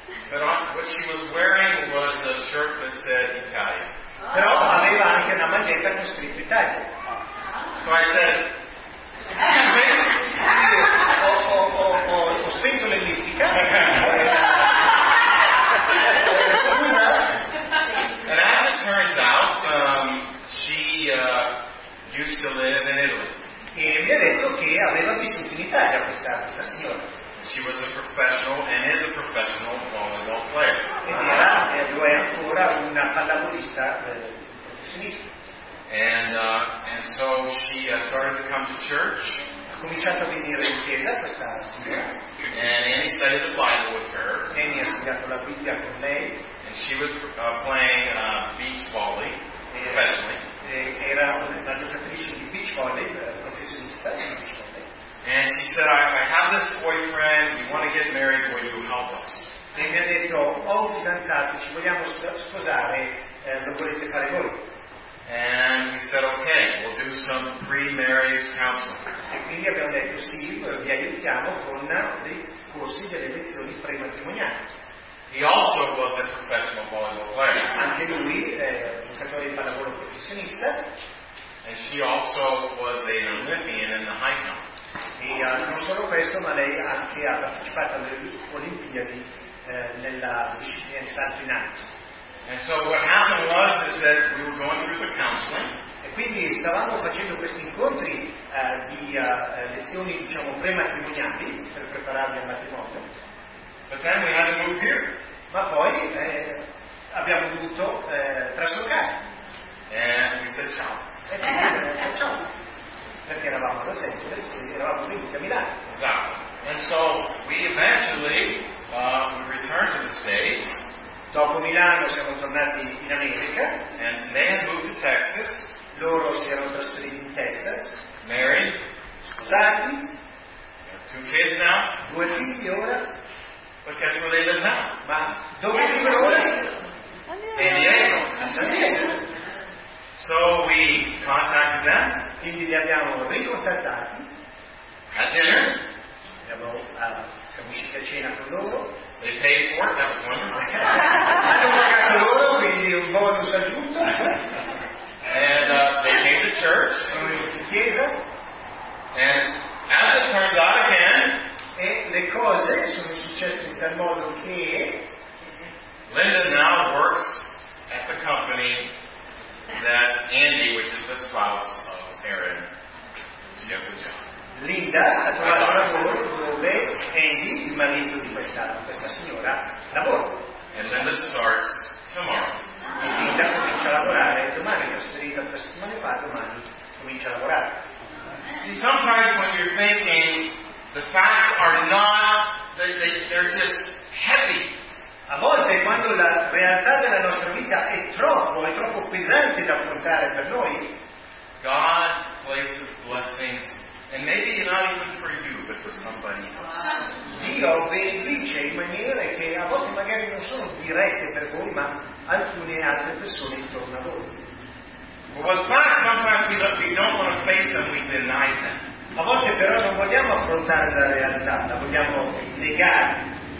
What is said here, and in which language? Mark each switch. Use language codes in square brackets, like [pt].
[en] But what she was wearing was a shirt that said Italia. [it] Però aveva anche una maglietta con scritto Italia. [en] So I said, excuse me. [it] Ho spento l'ellittica. [en] And as it turns out, she used to live in Italy. [it] E mi ha detto che aveva vissuto in Italia questa signora. [en] She was a professional and is a professional volleyball player. [it] Ed era e lo è ancora una pallavolista professionista. [en] And so she started to come to church. [it] Ha cominciato a venire in chiesa questa signora. [en] And Annie studied the Bible with her. [it] Annie ha studiato la Bibbia con lei. [en] And she was playing beach volley professionally. And she said, I have this boyfriend, we want to get married, will you help us? [it] E mi ha detto, ho un fidanzato, ci vogliamo sposare, lo volete fare voi? [en] And we said, okay, we'll do some pre-marriage counseling. [it] E quindi abbiamo detto, sì, vi aiutiamo con dei corsi, delle lezioni prematrimoniali. [en] He also was a professional volleyball player. [it] Anche lui è giocatore di pallavolo professionista. [en] And she also was an Olympian in the high jump. [it] E non solo questo, ma lei anche ha partecipato alle Olimpiadi nella disciplina di salto in alto. [en] And so what happened was is that we were going through the counseling. [it] E quindi stavamo facendo questi incontri di lezioni, diciamo, prematrimoniali per prepararmi al matrimonio. [en] But then we had to move here. [it] Ma poi abbiamo dovuto traslocare. [en] And we said ciao. [it] Ciao. Perché eravamo a Los Angeles, eravamo venuti a Milano. Esatto. [en] And so we eventually returned to the States. [it] Dopo Milano siamo tornati in America. [en] And they had moved to Texas. [it] Loro si erano trasferiti in Texas. [en] Married. [it] Sposati. [en] Two kids now. [it] Due figli ora. [en] But guess where they live now? [it] Ma dove vivono ora? [en] San Diego. A So we contacted them. [it] Quindi li abbiamo ricontattati. [en] At dinner. [it] Siamo usciti a cena con loro. [en] They paid for it. That was wonderful. [it] Hanno pagato loro, quindi un bonus aggiunto. [en] And they came to church. [it] Sono venuti in chiesa. [en] And as it turns out again. [it] E le cose sono successe in tal modo che [en] Linda now works at the company that Andy, which is the spouse of Aaron, she has a job. [it] Linda ha trovato lavoro dove Andy, il marito di questa signora, lavora. [en] And Linda starts tomorrow. [it] E Linda comincia a lavorare domani, la sera la settimana fa, domani comincia a lavorare. [en] See, sometimes when you're thinking the facts are not, they're just heavy. [it] A volte quando la realtà della nostra vita è troppo pesante da affrontare per noi, [en] God places blessings, and maybe not even for you, but for somebody else. [it] Dio benedice in maniere che a volte magari non sono dirette per voi, ma alcune altre persone intorno a voi. [en] Well, facts sometimes we don't want to face them, we deny them. [it] A volte però non vogliamo affrontare la realtà, la vogliamo negare.